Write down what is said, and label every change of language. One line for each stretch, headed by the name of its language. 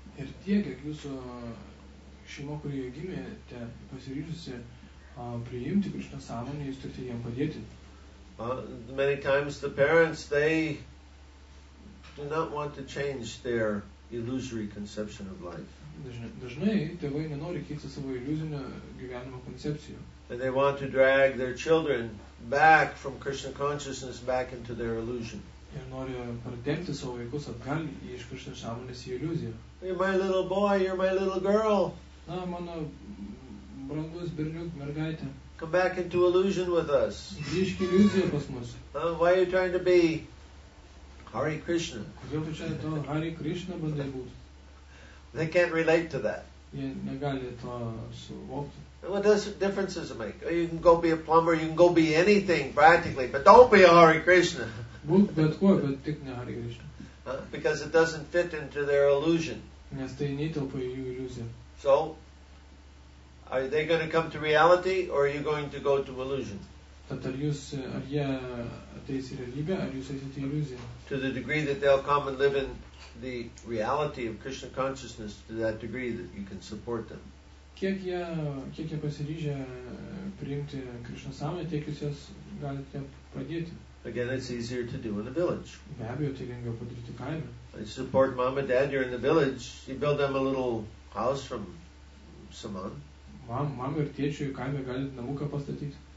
Lithuanian: Ir tiek, kiek jūsų šeima, kurioje gimėte, pasiryžusi priimti Krishna sąmonę, jūs turite jiems padėti.
English: Many times the parents, they do not want to change their illusory conception of life.
Lithuanian: Dažnai tėvai nenori keisti savo iliuzinio gyvenimo koncepciją.
English: And they want to drag their children back from Krishna consciousness back into their illusion.
Lithuanian: Ir nori pardengti savo vaikus atgal iš Krishna sąmonės į iliuziją.
English: Hey, my little boy, you're my little girl.
Lithuanian: Na, mano brangus berniuk, mergaitė.
English: Come back into illusion with us.
Lithuanian: Grįžk į iliuziją pas mus.
English: Why are you trying to be Hare Krishna?
Lithuanian: Kodėl tu čia to Hare Krishna bandai būti?
English: They can't relate to that.
Lithuanian: Jie negali to suvokti.
English: What difference does it make? You can go be a plumber, you can go be anything practically, but don't be a Hare Krishna.
Lithuanian: Būt bet kuo, bet tik ne Hare Krishna.
English: Because it doesn't fit into their illusion.
Lithuanian: Nes tai netelpa jų iliuziją.
English: So, are they going to come to reality, or are you going to go to illusion?
Lithuanian: Tad ar jie ateis į realybę, ar jūs eisite į iliuziją?
English: To the degree that they'll come and live in the reality of Krishna consciousness, to that degree that you can support them.
Lithuanian: Kiek jie pasiryžę priimti Krishna sąmonę, tiek jūs jas galite padėti.
English: Again, it's easier to do in the village.
Lithuanian: Be abejo, tai lengviau padaryti kaime.
English: I support mom and dad, you're in the village. You build them a little house from saman.
Lithuanian: Mam ir tėčiui kaime galite namuką pastatyti.